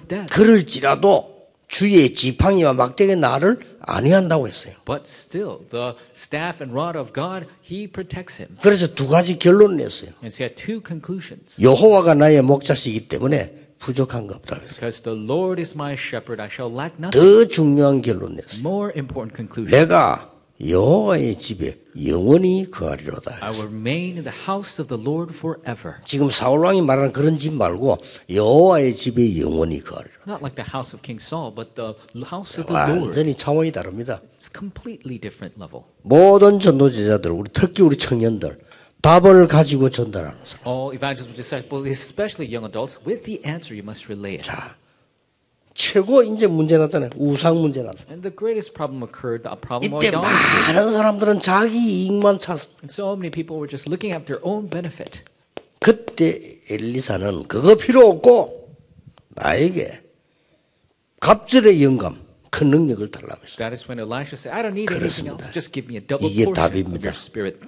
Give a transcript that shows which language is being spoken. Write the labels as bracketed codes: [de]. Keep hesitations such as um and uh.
[ko] 그럴지라도 주의 지팡이와 막대기 나를 아니한다고 했어요. [en] But still, the staff and rod of God, He protects him. [ko] 그래서 두 가지 결론을 냈어요. [en] And so he had two conclusions. [ko] 여호와가 나의 목자시기 때문에 부족한 거 없다 그랬어요. [en] Because the Lord is my shepherd, I shall lack nothing. [ko] 더 중요한 결론 냈어요. [en] More important conclusion. [ko] 내가 여호와의 집에 영원히 거하리로다. [en] I will remain in the house of the Lord forever. [ko] 지금 사울 왕이 말하는 그런 집 말고 여호와의 집에 영원히 거하리로. [en] Not like the house of King Saul, but the house of the Lord. [ko] 완전히 차원이 다릅니다. [en] It's completely different level. [ko] 모든 전도 제자들, 우리 특히 우리 청년들 답을 가지고 전달하는 사람. [en] All evangelists, disciples, especially young adults, with the answer you must relay. [ko] 자. 최고 이제 문제 나타나 우상 문제 나타나. [en] And the greatest problem occurred, a problem of idolatry. [ko] 이때 많은 사람들은 자기 이익만 찾았. [en] And so many people were just looking at their own benefit. [ko] 그때 엘리사는 그거 필요 없고 나에게 갑질의 영감 그 능력을 달라고 했어. [en] That is when Elisha said, I don't need anything else. Just give me a double portion of your spirit.